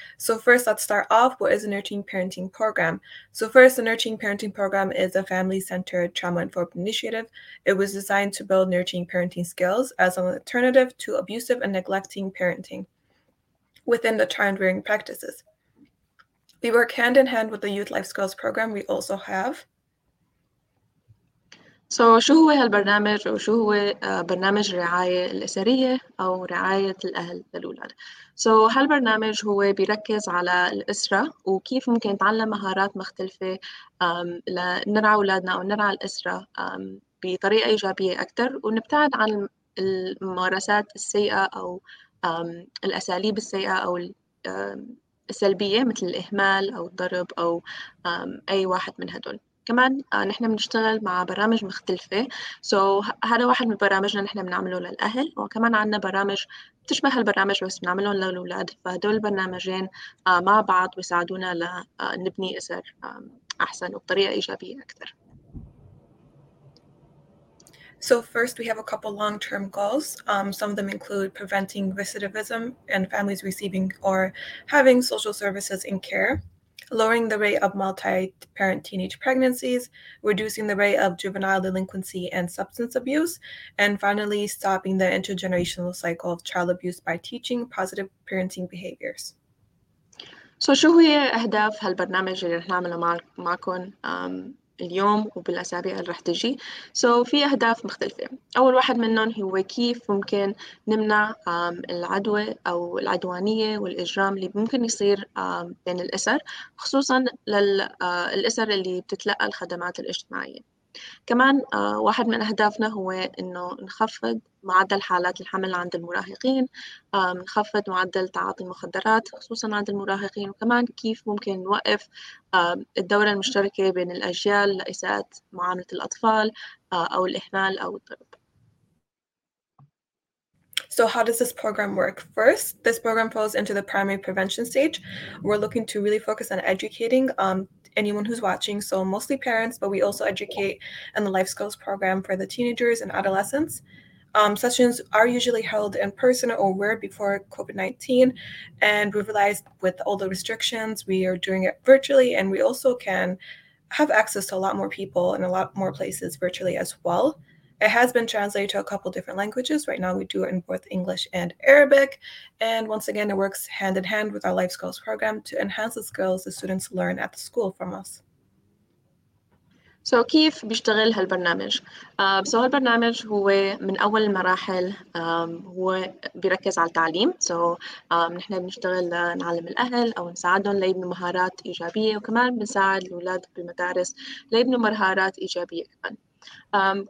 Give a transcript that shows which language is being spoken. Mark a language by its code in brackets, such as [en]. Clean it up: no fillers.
[en] So first, let's start off. What is a Nurturing Parenting Program? So first, the Nurturing Parenting Program is a family-centered trauma-informed initiative. It was designed to build nurturing parenting skills as an alternative to abusive and neglecting parting within the child-rearing practices. We work hand-in-hand with the Youth Life Skills Program we also have. [ar] So شو هو هالبرنامج وشو هو برنامج الرعاية الأسرية أو رعاية الأهل للأولاد. So هالبرنامج هو بيركز على الأسرة وكيف ممكن نتعلم مهارات مختلفة لنرعى أولادنا أو نرعى الأسرة بطريقة إيجابية أكثر ونبتعد عن الممارسات السيئة أو الأساليب السيئة أو السلبية مثل الإهمال أو الضرب أو أي واحد من هدول. كمان نحن بنشتغل مع برامج مختلفة، so هذا واحد من البرامج اللي نحن بنعمله للأهل، وكمان عندنا برامج بتشبه هالبرامج بس بنعملهم للأولاد، فهدول البرنامجين مع بعض بيساعدونا لنبني أسر أحسن وبطريقة إيجابية أكثر. [en] So first, we have a couple long-term goals. Some of them include preventing recidivism and families receiving or having social services in care, lowering the rate of multi-parent teenage pregnancies, reducing the rate of juvenile delinquency and substance abuse, and finally stopping the intergenerational cycle of child abuse by teaching positive parenting behaviors. [ar] So شو هي أهداف هالبرنامج اللي رح نعمله معكم اليوم وبالأسابيع اللي رح تجي؟ So في أهداف مختلفة. أول واحد منهم هو كيف ممكن نمنع العدوى أو العدوانية والإجرام اللي ممكن يصير بين الأسر، خصوصاً للأسر اللي بتتلقى الخدمات الاجتماعية. كمان واحد من أهدافنا هو إنه نخفض معدل حالات الحمل عند المراهقين، نخفض معدل تعاطي المخدرات خصوصاً عند المراهقين، وكمان كيف ممكن نوقف الدورة المشتركة بين الأجيال لإساءة معاملة الأطفال أو الإهمال أو الضرب. [en] So how does this program work? First, this program falls into the primary prevention stage. We're looking to really focus on educating anyone who's watching, so mostly parents, but we also educate in the life skills program for the teenagers and adolescents. Sessions are usually held in person or were before COVID-19, and we've realized with all the restrictions, we are doing it virtually, and we also can have access to a lot more people in a lot more places virtually as well. It has been translated to a couple different languages. Right now we do it in both English and Arabic. And once again, it works hand in hand with our life skills program to enhance the skills the students learn at the school from us. [ar] So كيف بيشتغل هالبرنامج؟ So هالبرنامج هو من أول المراحل هو بيركز على التعليم. So نحن بنشتغل لنعلم الأهل أو نساعدهم ليبنوا مهارات إيجابية، وكمان بنساعد الأولاد بالمدارس ليبنوا مهارات إيجابية كمان.